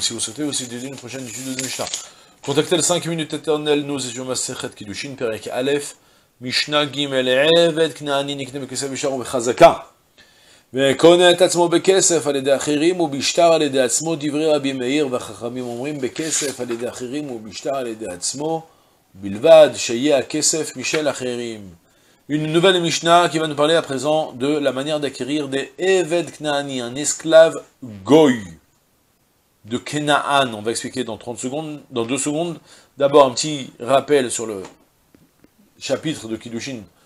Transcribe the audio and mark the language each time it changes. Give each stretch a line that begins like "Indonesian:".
French: Si vous souhaitez aussi dédier une prochaine étude de Mishnah, contactez le 5 minutes éternelles, nous étions Maserhet Kidushin, Perek Aleph, Mishnah Gimel,
Hebrew: Evet, Knaani, Nikneb, Kesev, Sharo, Bechazaka. וקונה את עצמו בכסף על ידי אחרים ובשטר על ידי עצמו דברי רבי מאיר והחכמים אומרים בכסף על ידי אחרים ובשטר על ידי עצמו בלבד שיהיה הכסף משל אחרים.
French: Une nouvelle Mishnah qui va nous parler à présent de la manière d'acquérir des Eved Knaani, un esclave goy de Kenaan. On va expliquer dans 30 secondes, dans 2 secondes. D'abord un petit rappel sur le chapitre de Kiddushin.